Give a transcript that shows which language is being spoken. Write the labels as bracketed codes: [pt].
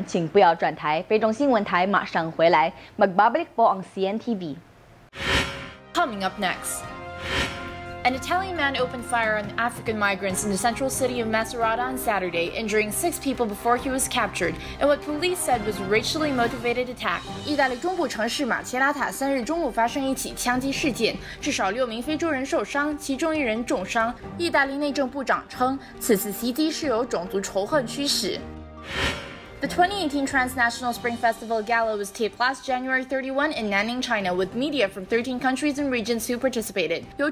[zh] 到目前为止，大约超过83万人接受了登革瓦夏疫苗的接种。广告之后还有国际以及财经新闻，请不要转台。非中新闻台马上回来。 [tl] Magbabalik po ang CNTV. [en] Coming up next, an Italian man opened fire on African migrants in the central city of Macerata on Saturday, injuring 6 people before he was captured, and what police said was racially motivated attack. [zh] 意大利中部城市马切拉塔3日中午发生一起枪击事件，至少6名非洲人受伤，其中1人重伤。意大利内政部长称，此次袭击是由种族仇恨驱使。 [en] The 2018 Transnational Spring Festival Gala was taped last January 31 in Nanning, China, with media from 13 countries and regions who participated.